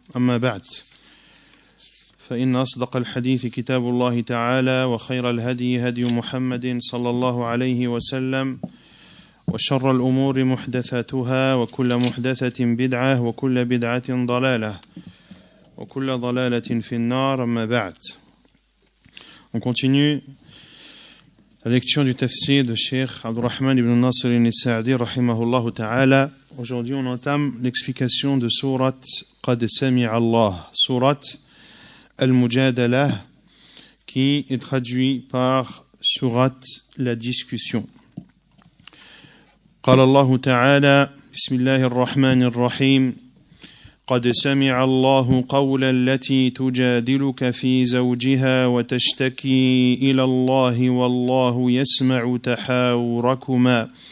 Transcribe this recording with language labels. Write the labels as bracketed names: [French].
[Arabic] أما بعد، فإن أصدق الحديث كتاب الله تعالى، وخير الهدي هدي محمد صلى الله عليه وسلم، وشر الأمور محدثاتها، وكل محدثة بدعة، وكل بدعة ضلالة، وكل ضلالة في النار. أما بعد. [French] On continue la lecture du tafsir de Cheikh Abdurrahman ibn Nasser al-Nisa'di [Arabic] رحمه تعالى. [French] Aujourd'hui on entame l'explication de Surat Qad Sami' Allah, Surat Al-Mujadala, qui est traduit par Surat La Discussion. [Arabic] قال الله تعالى بسم الله الرحمن الرحيم قد سمع الله قول التي تجادلك في زوجها وتشتكي إلى الله والله يسمع تحاوركما